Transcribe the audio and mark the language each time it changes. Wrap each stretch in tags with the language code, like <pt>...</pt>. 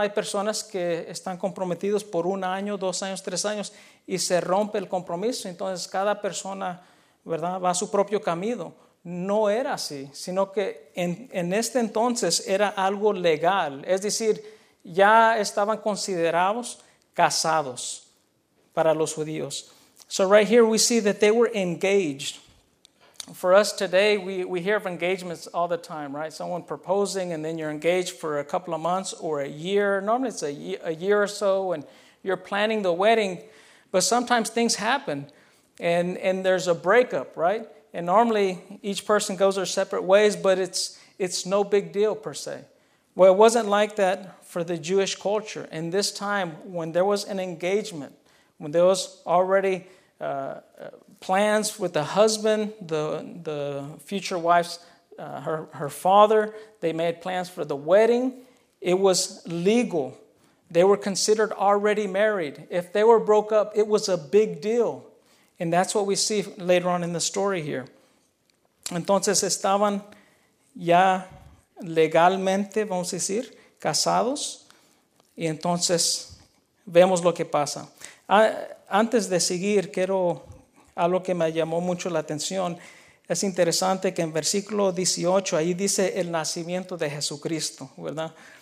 <es>Hay personas que están comprometidos por un año, dos años, tres años y se rompe el compromiso. Entonces cada persona, ¿verdad?, va a su propio camino. No era así, sino que en este entonces era algo legal. Es decir, ya estaban considerados casados para los judíos.</es> <en>So right here we see that they were engaged. For us today, we hear of engagements all the time, right? Someone proposing and then you're engaged for a couple of months or a year. Normally it's a year or so and you're planning the wedding. But sometimes things happen and there's a breakup, right? And normally each person goes their separate ways, but it's no big deal per se. Well, it wasn't like that for the Jewish culture. In this time, when there was an engagement, when there was already plans with the husband, the future wife's, her father, they made plans for the wedding. It was legal. They were considered already married. If they were broke up, it was a big deal. And that's what we see later on in the story here.</en> <es>Entonces estaban ya legalmente, vamos a decir, casados. Y entonces vemos lo que pasa. Antes de seguir, quiero algo que me llamó mucho la atención. Es interesante que en versículo 18, ahí dice el nacimiento de Jesucristo, ¿verdad?</es>